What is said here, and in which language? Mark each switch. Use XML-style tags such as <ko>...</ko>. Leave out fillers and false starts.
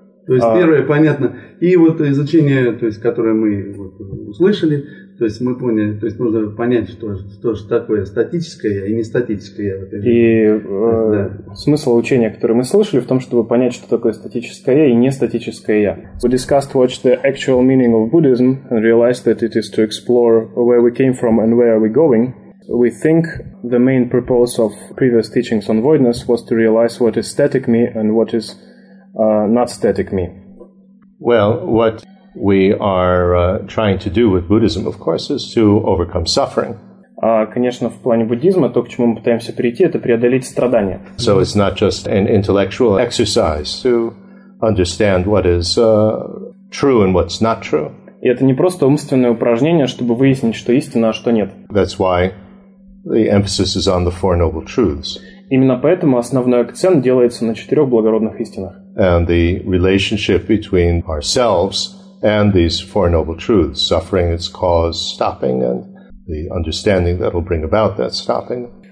<ru>То есть первое, понятно. И вот изучение, то есть, которое мы вот услышали, то есть мы поняли, то есть нужно понять, что же такое статическое и нестатическое. И смысл учения, которое мы слышали, в том, чтобы понять, что такое статическое я и нестатическое я.</ru> <en>We discussed what the actual meaning of Buddhism and realized that it is to explore where we came from and where are we going. We think the main purpose of previous teachings on voidness was to realize what is static me and what is not static me. Well, what we are trying to do with Buddhism, of course, is to overcome suffering.</en> <ru>Конечно, в плане буддизма то, к чему мы пытаемся прийти, это преодолеть страдания.</ru> <en>So it's not just an intellectual exercise to understand what is true and what's not true.</en> <ru>И это не просто умственное упражнение, чтобы выяснить, что истина, а что нет.</ru> <en>That's why the emphasis is on the Four Noble Truths.</en> <ru>Именно поэтому основной акцент делается на четырех благородных истинах.</ru> <en>And the relationship between ourselves and these Four Noble Truths, suffering, its cause, stopping, and the understanding that will bring about that stopping.</en>